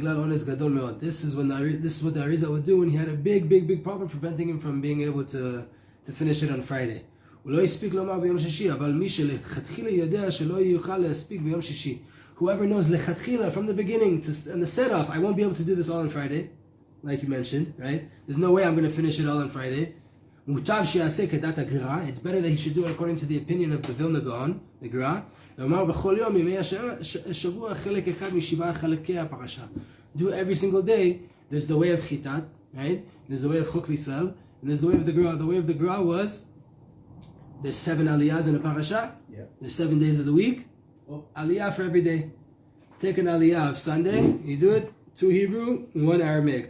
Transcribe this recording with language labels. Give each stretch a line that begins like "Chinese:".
English: This is what the Ariza would do when he had a big, big, big problem preventing him from being able to finish it on Friday.
Hebrew: ולא יספיק לומר ביום שישי, אבל מי שלכתחילה יודע שלא יוכל להספיק ביום שישי.
English: Whoever knows, לכתחילה, from the beginning, in the set-off, I won't be able to do this all on Friday, like you mentioned, right? There's no way I'm going to finish it all on Friday.
Hebrew: מוטב שיעשה כדת הגרא,
English: it's better that he should do it according to the opinion of the Vilna Gaon, the Gra.
Hebrew: לומר בכל יום, ימי השבוע, חלק אחד משבעה חלקי הפרשה.
English: Do every single day, there's the way of chitat, right? There's the way of chok lisal. And there's the way of the Gra. The way of the Gra was, there's seven aliyahs in a parasha. Yeah. There's 7 days of the week. Oh. Aliyah for every day. Take an aliyah of Sunday. You do it. Two Hebrew, one Aramaic.